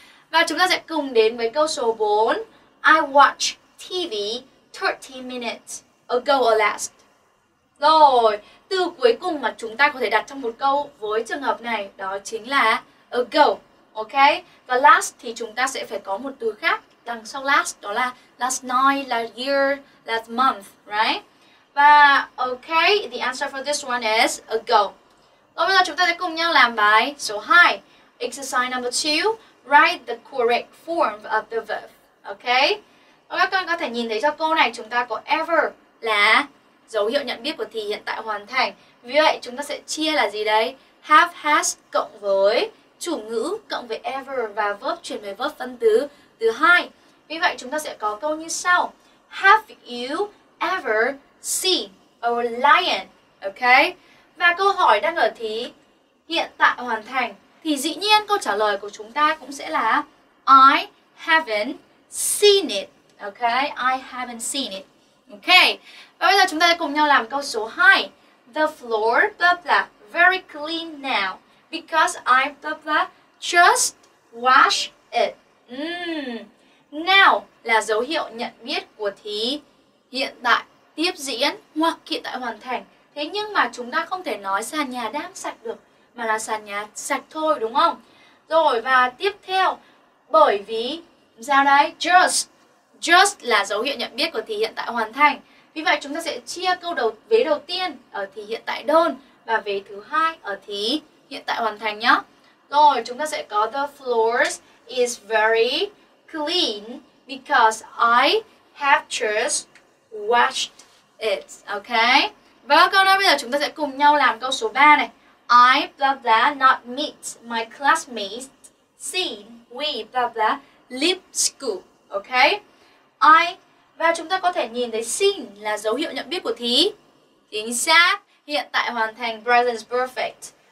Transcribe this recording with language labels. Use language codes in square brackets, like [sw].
[vi] Và chúng ta sẽ cùng đến với câu số 4. [en] I watch TV 30 minutes ago or last. [vi] Rồi, từ cuối cùng mà chúng ta có thể đặt trong một câu với trường hợp này đó chính là ago, ok? Và last thì chúng ta sẽ phải có một từ khác đằng sau last, đó là [en] last night, last year, last month, right? Và ok, the answer for this one is ago. [vi] Rồi bây giờ chúng ta sẽ cùng nhau làm bài số 2. [en] Exercise number 2, write the correct form of the verb, ok? [vi] Rồi các con có thể nhìn thấy cho câu này chúng ta có ever là dấu hiệu nhận biết của thì hiện tại hoàn thành. Vì vậy chúng ta sẽ chia là gì đấy? Have, has cộng với chủ ngữ cộng với ever và verb chuyển về verb phân từ thứ hai. Vì vậy chúng ta sẽ có câu như sau. [en] Have you ever seen a lion? Ok? [vi] Và câu hỏi đang ở thì hiện tại hoàn thành. Thì dĩ nhiên câu trả lời của chúng ta cũng sẽ là [en] I haven't seen it. Ok? I haven't seen it. Ok? [vi] Và bây giờ chúng ta sẽ cùng nhau làm câu số 2. [en] The floor, blah blah, very clean now because I, blah blah, just wash it. [vi] Now là dấu hiệu nhận biết của thì hiện tại tiếp diễn hoặc hiện tại hoàn thành. Thế nhưng mà chúng ta không thể nói sàn nhà đang sạch được mà là sàn nhà sạch thôi, đúng không? Rồi, và tiếp theo, bởi vì, sao đây? Just là dấu hiệu nhận biết của thì hiện tại hoàn thành. Vì vậy chúng ta sẽ chia câu đầu vế đầu tiên ở thì hiện tại đơn và vế thứ hai ở thì hiện tại hoàn thành nhé. Rồi chúng ta sẽ có [en] the floor is very clean because I have just washed it. Ok? [vi] Và câu đó bây giờ chúng ta sẽ cùng nhau làm câu số 3 này. [en] I blah blah not meet my classmates since we blah blah leave school. Ok? [vi] Và chúng ta có thể nhìn thấy since là dấu hiệu nhận biết của thì. Chính xác, hiện tại hoàn thành, present perfect.